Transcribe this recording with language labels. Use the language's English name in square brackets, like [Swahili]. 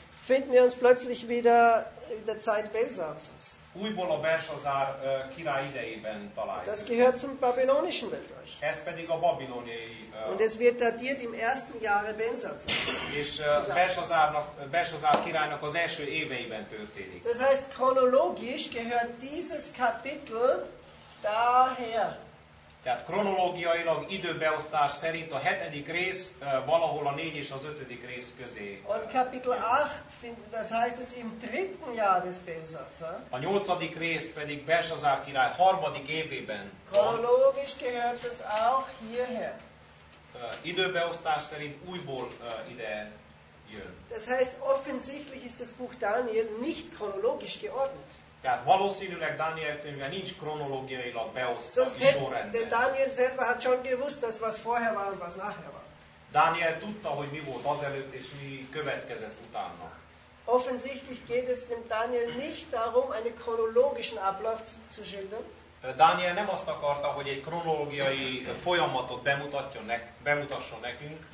[German] finden wir uns plötzlich wieder in der Zeit Belsazars. [Hungarian] Újból a Belsazár király idejében találjuk. [German] Das gehört zum babylonischen Weltreich. [Hungarian] Ez pedig a babiloniai. [German] Und es wird datiert im ersten Jahre Belsazars. [Hungarian] És Belsazár királynak az első éveiben történik. [German] Das heißt, chronologisch gehört dieses Kapitel daher. [Hungarian] Tehát kronológiailag időbeosztás szerint a hetedik rész valahol a négy és az ötödik rész közé. [German] Und Kapitel 8, das heißt es im dritten Jahr des Belsazar. [Hungarian] A nyolcadik rész pedig Belsazár király harmadik évében. [German] Chronologisch gehört es auch hierher. [Hungarian] Időbeosztás szerint újból ide jön. [German] Das heißt, offensichtlich ist das Buch Daniel nicht chronologisch geordnet. [Hungarian] Tehát valószínűleg Daniel könyve nincs kronológiailag beosztva sorrendben. [German] De Daniel selber hat schon gewusst, dass was vorher war und was nachher war. [Hungarian] Daniel tudta, hogy mi volt azelőtt és mi következett utána. [German] Offensichtlich geht es dem Daniel nicht darum, einen chronologischen Ablauf zu schildern. [Hungarian] Daniel nem azt akarta, hogy egy kronológiai folyamatot bemutasson nekünk.